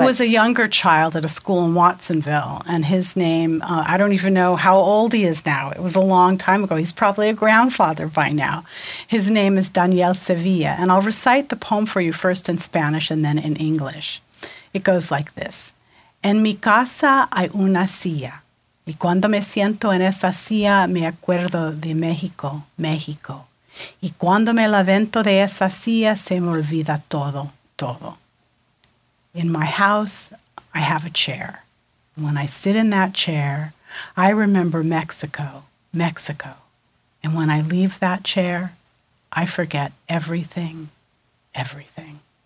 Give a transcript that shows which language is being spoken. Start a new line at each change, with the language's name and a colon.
English: It was a younger child at a school in Watsonville, and his name, I don't even know how old he is now. It was a long time ago. He's probably a grandfather by now. His name is Daniel Sevilla, and I'll recite the poem for you first in Spanish and then in English. It goes like this.
Spanish: En mi casa hay una silla. Y cuando me siento en esa silla, me acuerdo de México, México. Y cuando me levanto de esa silla, se me olvida todo, todo.
English: In my house, I have a chair. When I sit in that chair, I remember Mexico, Mexico. And when I leave that chair, I forget everything, everything.